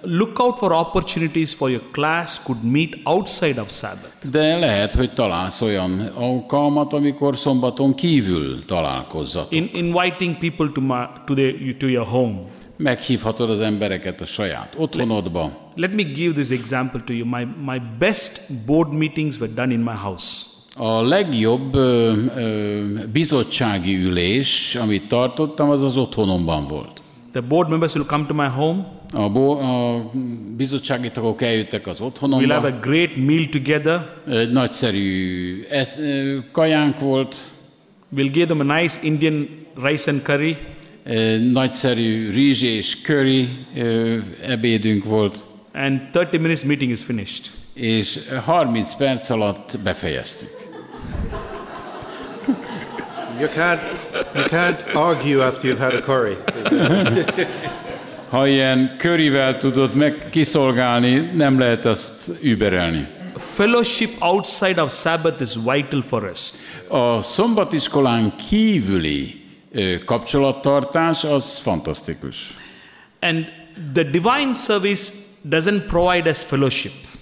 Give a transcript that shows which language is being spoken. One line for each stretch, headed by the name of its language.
English: Look out for opportunities for your class could meet outside of Sabbath.
Hungarian: De lehet, hogy találsz olyan alkalmat, amikor szombaton kívül találkozzatok.
English: Inviting people to your home.
Hungarian: Meghívhatod az embereket a saját otthonodba.
English: Let me give this example to you. My best board meetings were done in my house.
Hungarian: A legjobb bizottsági ülés, amit tartottam, az otthonomban volt.
English: The board members will come to my home.
Hungarian: A bizottsági tagok eljöttek az otthonomba.
English: We'll have a great meal together.
Hungarian: Egy nagyszerű kajánk volt.
English: We'll give them a nice Indian rice and curry.
Hungarian: Nagyszerű rizs és curry ebédünk volt.
English: And 30 minutes meeting is finished.
Hungarian: És 30 perc alatt befejeztük.
English: You can't argue after you've had a curry.
Hungarian: Ha ilyen curryvel tudod meg kiszolgálni, nem lehet azt überelni.
English: Fellowship outside of Sabbath is vital for us.
Hungarian: A szombatiskolán kívüli kapcsolattartás az fantasztikus.
English: And the divine service doesn't provide us fellowship.